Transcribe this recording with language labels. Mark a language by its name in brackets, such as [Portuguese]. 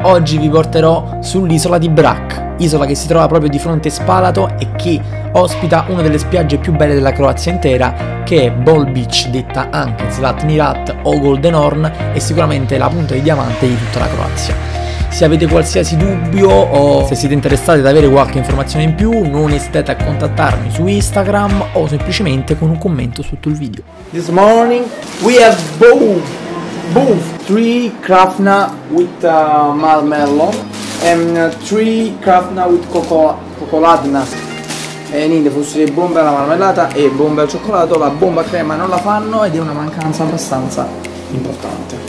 [Italian] Oggi vi porterò sull'isola di Brac, isola che si trova proprio di fronte Spalato e che ospita una delle spiagge più belle della Croazia intera, che è Bol Beach, detta anche Zlatnirat o Golden Horn, e sicuramente la punta di diamante di tutta la Croazia. Se avete qualsiasi dubbio o se siete interessati ad avere qualche informazione in più, non esitate a contattarmi su Instagram o semplicemente con un commento sotto il video. [English] This morning we have both 3 krafna with marmello and 3 krafna with cocoladna. [Italian] E niente, fosse bombe alla marmellata e bombe al cioccolato, la bomba crema non la fanno ed è una mancanza abbastanza importante.